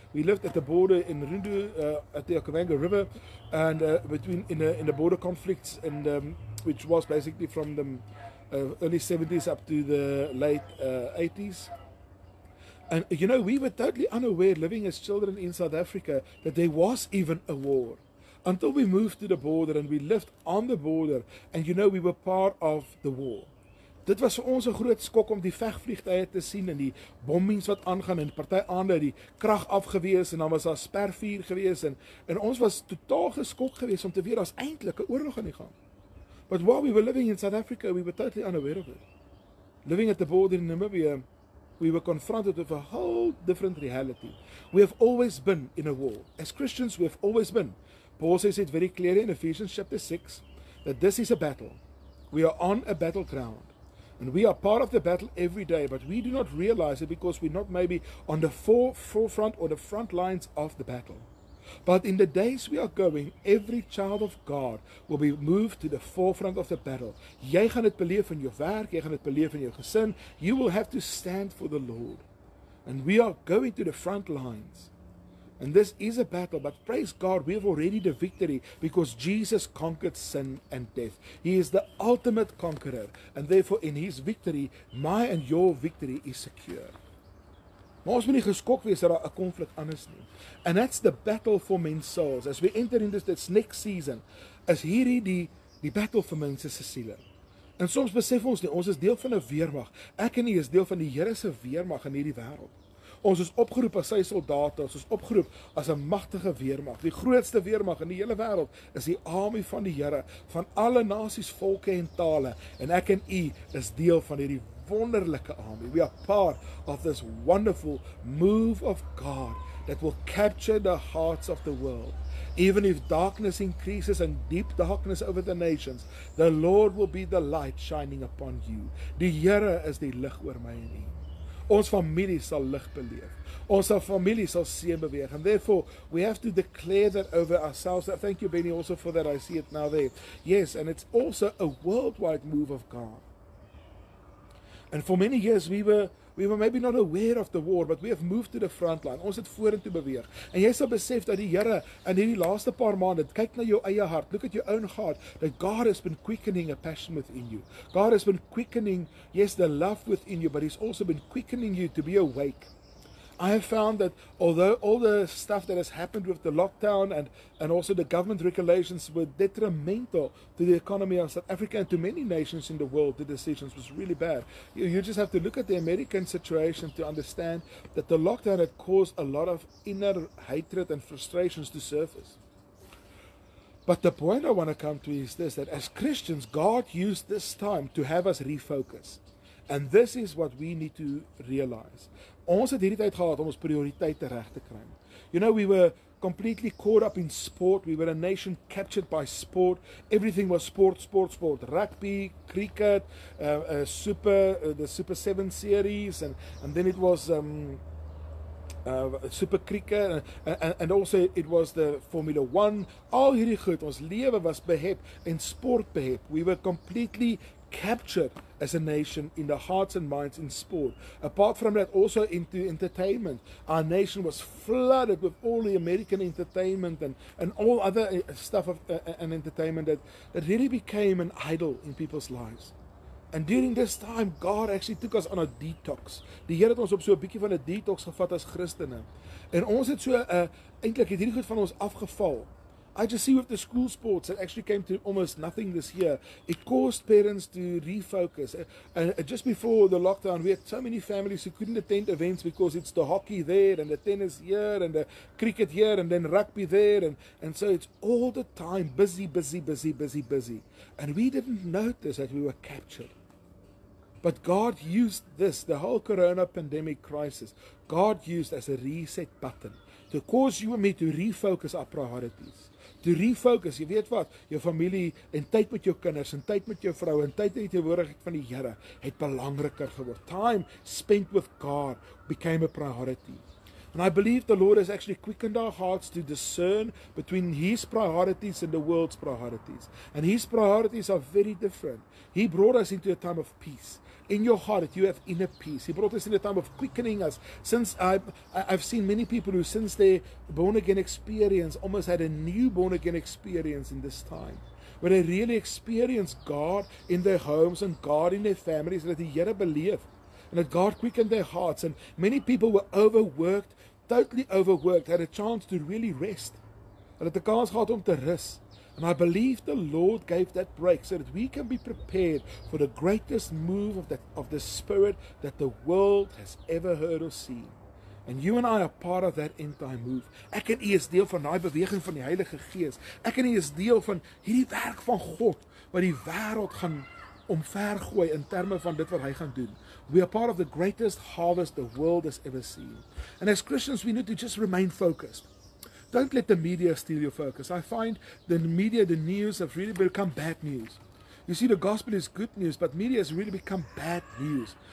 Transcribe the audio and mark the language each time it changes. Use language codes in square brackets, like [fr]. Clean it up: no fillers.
[en] We lived at the border in Rundu, at the Okavango river, and between in the border conflicts, and which was basically from the early 70s up to the late 80s. And you know, we were totally unaware, living as children in South Africa, that there was even a war. Until we moved to the border and we lived on the border, and you know, we were part of the war. [af] Dit was vir ons 'n groot skok om die vegvliegtuie te sien en die bommings wat aangaan en party aande die krag afgewees en dan was daar spervuur gewees en ons was totaal geskok gewees om te weet daar's eintlik 'n oorlog aan die gang. [en] But while we were living in South Africa, we were totally unaware of it. Living at the border in Namibia, we were confronted with a whole different reality. We have always been in a war. As Christians, we have always been. Paul says it very clearly in Ephesians chapter 6, that this is a battle. We are on a battleground. And we are part of the battle every day, but we do not realize it because we're not maybe on the forefront or the front lines of the battle. But in the days we are going, every child of God will be moved to the forefront of the battle. [af] Jy gaan dit beleef in jou werk, jy gaan dit beleef in jou gesin. [en] You will have to stand for the Lord. And we are going to the front lines. And this is a battle, but praise God, we have already the victory because Jesus conquered sin and death. He is the ultimate conqueror. And therefore, in his victory, my and your victory is secure. [af] Maar ons moet nie geskok wees dat daar 'n konflik aan is nie. [en] And that's the battle for men's souls. As we enter into this next season, [af] is hierdie die battle vir mense se siele. En soms besef ons nie, ons is deel van 'n weermag. Ek en jy is deel van die Here se weermag in hierdie wêreld. Ons is opgeroep as sy soldate, ons is opgeroep as 'n magtige weermag. Die grootste weermag in die hele wêreld is die army van die Here, van alle nasies, volke en tale. En ek en jy is deel van hierdie wonderlike army. [en] We are part of this wonderful move of God that will capture the hearts of the world. Even if darkness increases and deep darkness over the nations, the Lord will be the light shining upon you. [af] Die Here is die lig oor my en u. Ons familie sal lig beleef. Ons familie sal seën beweeg. [en] And therefore, we have to declare that over ourselves. Thank you, Benny, also for that. I see it now there. Yes, and it's also a worldwide move of God. And for many years we were maybe not aware of the war, but we have moved to the front line. [af] Ons het vorentoe beweeg. En jy sal besef dat die Here in hierdie laaste paar maande, kyk na jou eie hart, [en] look at your own heart, [af] that God has been quickening a passion within you. [en] God has been quickening, yes, the love within you, but he's also been quickening you to be awake. I have found that although all the stuff that has happened with the lockdown and also the government regulations were detrimental to the economy of South Africa and to many nations in the world, the decisions was really bad. You just have to look at the American situation to understand that the lockdown had caused a lot of inner hatred and frustrations to surface. But the point I want to come to is this, that as Christians, God used this time to have us refocus. And this is what we need to realize. [af] Ons het hierdie tyd gehad om ons prioriteite reg te kry. [en] You know, we were completely caught up in sport. We were a nation captured by sport. Everything was sport, sport, sport. Rugby, cricket, the Super 7 series. And then it was Super Cricket. And also it was the Formula 1. [af] Al hierdie goed, ons lewe was behep en sport behep. [en] We were completely captured as a nation in the hearts and minds in sport. Apart from that, also into entertainment. Our nation was flooded with all the American entertainment and all other stuff of and entertainment that really became an idol in people's lives. And during this time, God actually took us on a detox. [af] Die Here het ons op so 'n bietjie van 'n detox gevat as Christene. En ons het so eintlik het hierdie goed van ons afgeval. [en] I just see with the school sports that actually came to almost nothing this year. It caused parents to refocus. And just before the lockdown, we had so many families who couldn't attend events because it's the hockey there and the tennis here and the cricket here and then rugby there. And so it's all the time busy, busy, busy, busy, busy. And we didn't notice that we were captured. But God used this, the whole corona pandemic crisis, God used as a reset button to cause you and me to refocus our priorities. To refocus, [af] jy weet wat, jou familie en tyd met jou kinders en tyd met jou vrou en tyd in die teenwoordigheid van die Here het belangriker geword. [en] Time spent with God became a priority. And I believe the Lord has actually quickened our hearts to discern between His priorities and the world's priorities. And His priorities are very different. He brought us into a time of peace. In your heart, you have inner peace. He brought us in a time of quickening us. Since I've seen many people who, since their born-again experience, almost had a new born-again experience in this time. Where they really experienced God in their homes and God in their families, that they yet believe. And that God quickened their hearts. And many people were overworked, totally overworked, had a chance to really rest. And had the chance [af] gehad om te rus. [en] And I believe the Lord gave that break so that we can be prepared for the greatest move of the Spirit that the world has ever heard or seen. And you and I are part of that end time move. [af] Ek en jy is deel van die beweging van die Heilige Gees. Ek en jy is deel van hierdie werk van God wat die wêreld gaan omvergooi in terme van dit wat hy gaan doen. [en] We are part of the greatest harvest the world has ever seen. And as Christians, we need to just remain focused. Don't let the media steal your focus. I find the media, the news, have really become bad news. You see, the gospel is good news, but media has really become bad news.